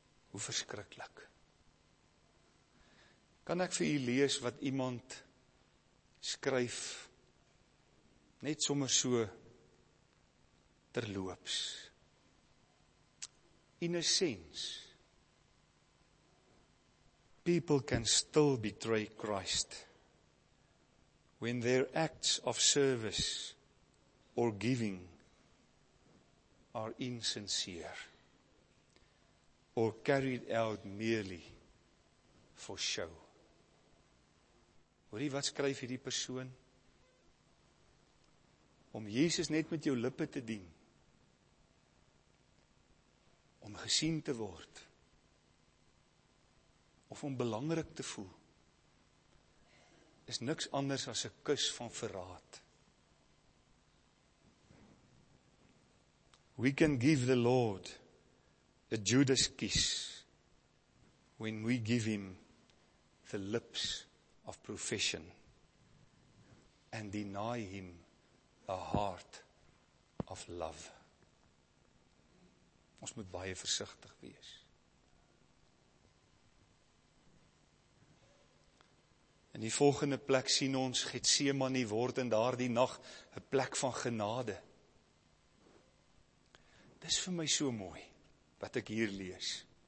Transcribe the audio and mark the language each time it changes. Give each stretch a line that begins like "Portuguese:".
Afrikaans: Hoe verskriklik. Kan ek vir u lees wat iemand skryf net sommer so terloops.
English: In a sense, people can still betray Christ when their acts of service or giving are insincere or carried out merely for show.
Afrikaans: Hoorie, wat skryf hierdie persoon? Om Jesus net met jou lippe te dien, om gesien te word, of om belangrik te voel, is niks anders as 'n kus van verraad.
English: We can give the Lord a Judas kiss when we give him the lips of profession and deny him a heart of love.
Afrikaans: Ons moet baie versigtig wees. In die volgende plek sien ons Getsemane word in daardie nag 'n plek van genade. Dis vir my so mooi wat ek hier lees.